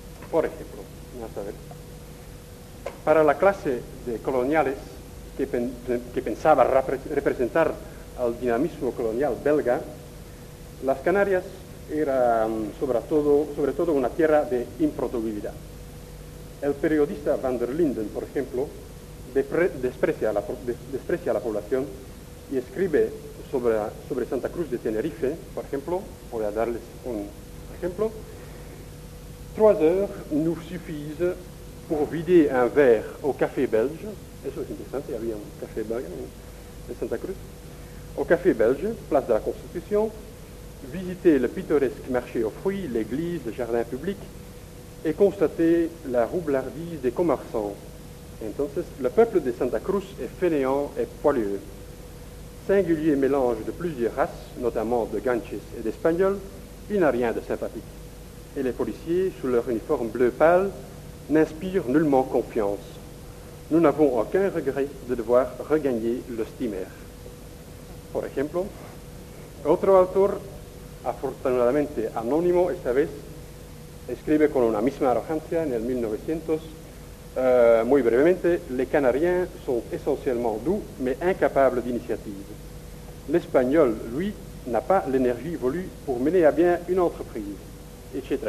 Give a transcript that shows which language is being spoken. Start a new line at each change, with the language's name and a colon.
Spanish: Por ejemplo, vamos a ver. Para la clase de coloniales que pensaba representar al dinamismo colonial belga, las Canarias eran sobre todo una tierra de improductividad. El periodista Van der Linden, por ejemplo, desprecia a la población y escribe sobre Santa Cruz de Tenerife, por ejemplo, voy a darles un ejemplo.
French: 3 heures nous suffisent pour vider un verre au café belge.
Spanish: Eso es interesante, había un café belga en Santa Cruz.
French: Au café belge, place de la Constitución, visiter le pittoresque marché aux fruits, l'église, le jardin public, et constater la roublardise des commerçants. Entonces, le peuple de Santa Cruz est fainéant et poilueux. Singulier mélange de plusieurs races, notamment de ganches et d'espagnols, il n'a rien de sympathique. Et les policiers, sous leur uniforme bleu pâle, n'inspirent nullement confiance. Nous n'avons aucun regret de devoir regagner le steamer.
Spanish: Por ejemplo, otro autor, afortunadamente anónimo esta vez, escribe con una misma arrogancia en el 1900, muy brevemente:
French: les Canariens sont essentiellement doux, mais incapables d'initiative. L'Espagnol, lui, n'a pas l'énergie voulue pour mener à bien une entreprise, etc.